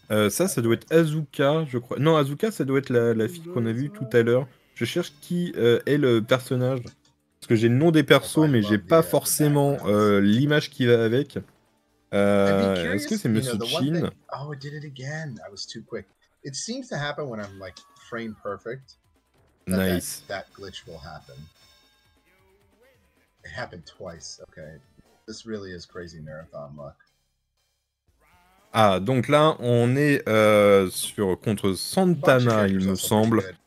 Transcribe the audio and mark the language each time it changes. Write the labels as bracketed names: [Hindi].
[French] Ça doit être Azuka, je crois. Non, Azuka, ça doit être la fille qu'on a vue tout à l'heure. Je cherche qui est le personnage. Parce que j'ai le nom des persos, mais j'ai pas forcément l'image qui va avec. Est-ce que c'est Monsieur Chin? [English] Oh, I did it again. I was too quick. It seems to happen when I'm like frame perfect. Nice. That glitch will happen. It happened twice, okay. This really is crazy marathon luck. [French] Ah, donc là, on est sur contre Santana, il me semble.